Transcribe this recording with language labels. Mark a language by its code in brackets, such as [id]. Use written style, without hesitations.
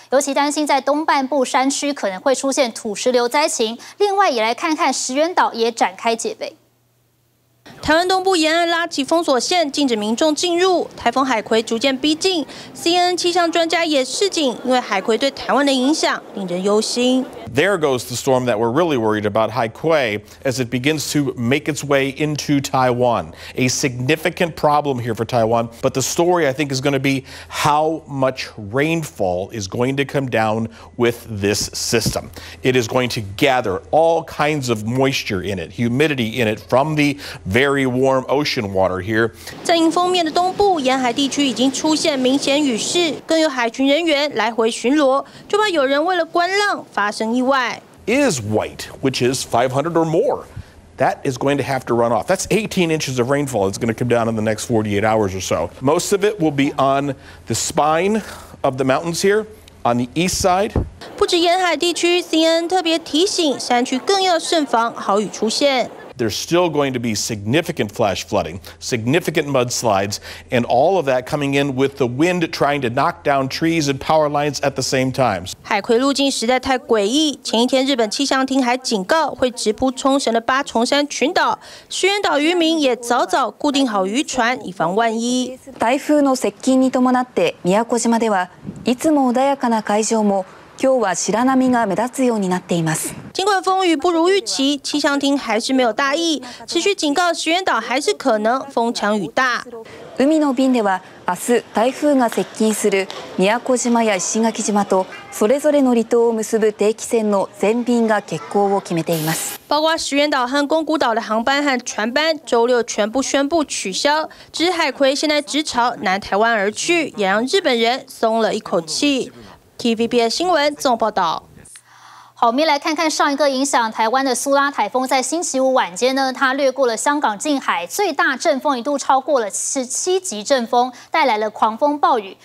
[zh] 尤其担心在东半部山区可能会出现土石流灾情，另外也来看看石垣岛也展开戒备。台湾东部沿岸拉起封锁线，禁止民众进入。台风海葵逐渐逼近 ，CNN 气象专家也示警，因为海葵对台湾的影响令人忧心。 [en] There goes the storm that we're really worried about, Hai Kuei, as it begins to make its way into Taiwan. A significant problem here for Taiwan, but the story I think is going to be how much rainfall is going to come down with this system. It is going to gather all kinds of moisture in it, humidity in it from the very warm ocean water here. [zh] 在迎风面的东部沿海地区已经出现明显雨势，更有海巡人员来回巡逻，就怕有人为了观浪发生意外。 [en] Is white, which is 500 or more. That is going to have to run off. That's 18 inches of rainfall. It's going to come down in the next 48 hours or so. Most of it will be on the spine of the mountains here, on the east side. [zh] 不止沿海地区 ，CNN 特别提醒山区更要慎防豪雨出现。 [en] There's still going to be significant flash flooding, significant mudslides, and all of that coming in with the wind trying to knock down trees and power lines at the same time. [zh] 海葵路径实在太诡异。前一天，日本气象厅还警告会直扑冲绳的八重山群岛。须垣岛渔民也早早固定好渔船，以防万一。 [ja] 台風の接近に伴って、宮古島ではいつも穏やかな海上も。今日は白波が目立つようになっています。 [zh] 尽管风雨不如预期，气象厅还是没有大意，持续警告石垣岛还是可能风强雨大。 [ja] 海の便では、明日台風が接近する宮古島や石垣島とそれぞれの離島を結ぶ定期船の全便が欠航を決めています。 [zh] 包括石垣岛和宫古岛的航班和船班，周六全部宣布取消。只海葵现在直朝南台湾而去，也让日本人松了一口气。 TVBS 新闻总报道。好，我们来看看上一个影响台湾的苏拉台风，在星期五晚间呢，它掠过了香港近海，最大阵风一度超过了17级阵风，带来了狂风暴雨。